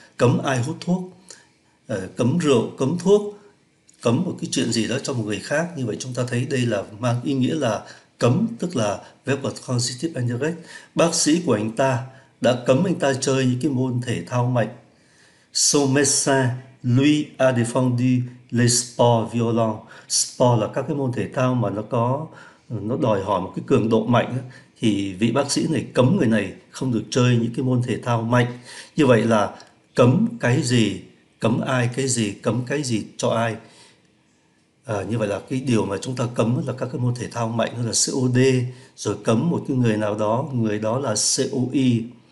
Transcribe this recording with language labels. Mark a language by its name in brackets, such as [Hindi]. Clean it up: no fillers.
[Vietnamese] Cấm ai hút thuốc, cấm rượu, cấm thuốc, cấm một cái chuyện gì đó cho một người khác. Như vậy chúng ta thấy đây là mang ý nghĩa là cấm, tức là verb transitive indirect. Bác sĩ của anh ta đã cấm anh ta chơi những cái môn thể thao mạnh. [French] Son médecin lui a défendu les sports violents. [Vietnamese] Sport là các cái môn thể thao mà nó đòi hỏi một cái cường độ mạnh, thì vị bác sĩ này cấm người này không được chơi những cái môn thể thao mạnh. Như vậy là cấm cái gì, cấm ai cái gì, cấm cái gì cho ai. Như vậy là cái điều mà chúng ta cấm là các cái môn thể thao mạnh, nó là COD, rồi cấm một cái người nào đó, người đó là COI.